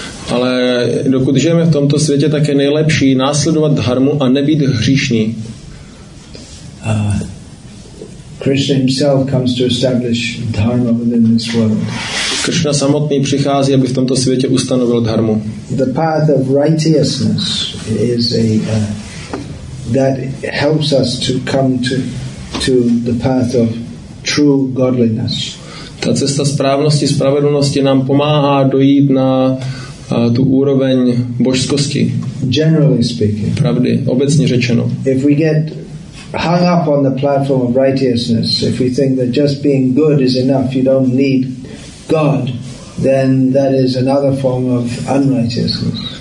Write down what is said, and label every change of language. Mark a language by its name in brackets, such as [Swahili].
[Czech] Ale dokud žijeme v tomto světě, tak je nejlepší následovat dharmu a nebýt hříšný. [English] Krishna himself comes to establish dharma within this world. [Czech] Krishna samotný přichází, aby v tomto světě ustanovil dharmu. [English] The path of righteousness is that helps us to come to the path of true godliness. [Czech] Ta cesta správnosti, spravedlnosti nám pomáhá dojít na tu úroveň božskosti. [English] Generally speaking. [Czech] Pravdy, obecně řečeno. [English] If we get hung up on the platform of righteousness, if we think that just being good is enough, you don't need God, then that is another form of unrighteousness.